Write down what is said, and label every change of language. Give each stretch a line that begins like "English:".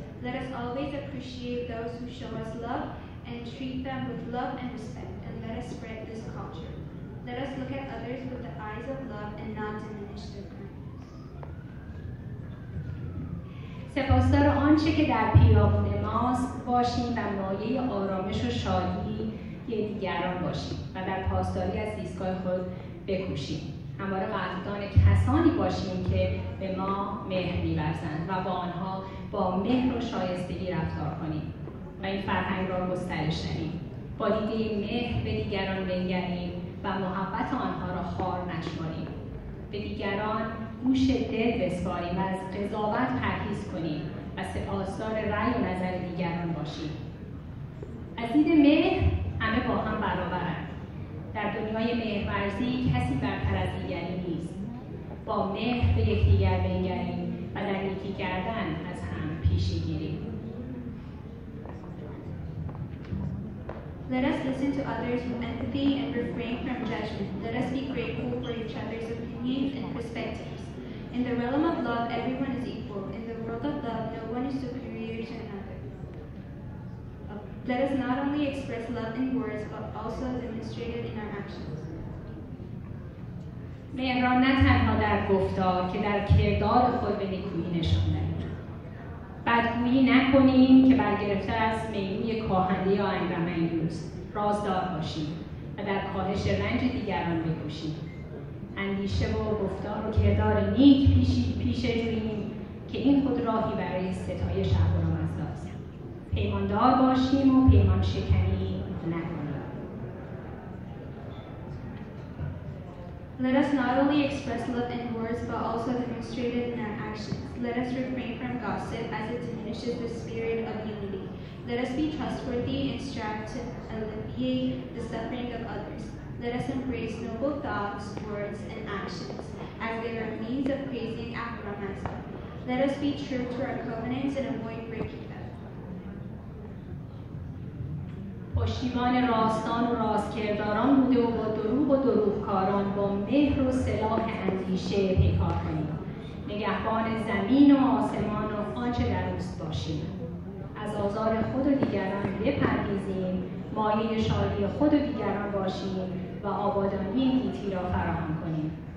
English: Let us always appreciate those who show us love and treat them with love and respect. And let us spread this culture. Let us look at others with the eyes of love and not diminish their kindness.
Persian: سپاسدار آنچه که در پیرامون ماست باشیم و مایه آرامش و شادی دیگران باشیم و در پاسداری از زیستگاه خود بکوشیم. همواره قدردان کسانی باشیم که به ما مهر می‌ورزند و با آنها با مهر و شایستگی رفتار کنیم و این فرهنگ را گسترش دهیم. با دیده مهر به دیگران بنگریم و محبت آنها را خوار نشماریم. به دیگران گوش دل بسپاریم و از قضاوت پرهیز کنیم و سپاسدار رأی و نظر دیگران باشیم. از دید مهر همه با هم برابرند. در دنیای مهرورزی کسی برتر از دیگری نیست. با مهر به یکدیگر بنگریم و در نیکی کردن از هم پیشی گیریم.
English: Let us listen to others with empathy and refrain from judgment. Let us be grateful for each other's opinions and perspectives. In the realm of love, everyone is equal. In the world of love, no one is superior to another. Let us not only express love in words, but also demonstrate it in our actions.
Persian: مهران نه تنها در گفتار که در کردار خود به نیکویی نشان دهیم. بدگویی نکنیم که برگرفته از میمون کاهنده یا انگرمن یوز. رازدار باشیم و در کاهش رنج دیگران بکوشیم. اندیشه و گفتار و کردار نیک پیش جوییم که این خود راهی برای ستایش ابرومزداست. پیماندار باشیم و پیمان شکنی نکنیم.
English: Let us not only express love in words, but also demonstrate it in our actions. Let us refrain from gossip, as it diminishes the spirit of unity. Let us be trustworthy and strive to alleviate the suffering of others. Let us embrace noble thoughts, words, and actions, as they are means of praising Ahuramazda. Let us be true to our covenants and avoid breaking them.
Persian: پشتیبان راستان و راستکرداران بوده و با دروغ و دروغکاران با مهر و سلاح اندیشه پیکار کنیم. نگهبان زمین و آسمان و آنچه در اوست باشیم. از آزار خود و دیگران بپرهیزیم، مایه شادی خود و دیگران باشیم و آبادانی گیتی را فراهم کنیم.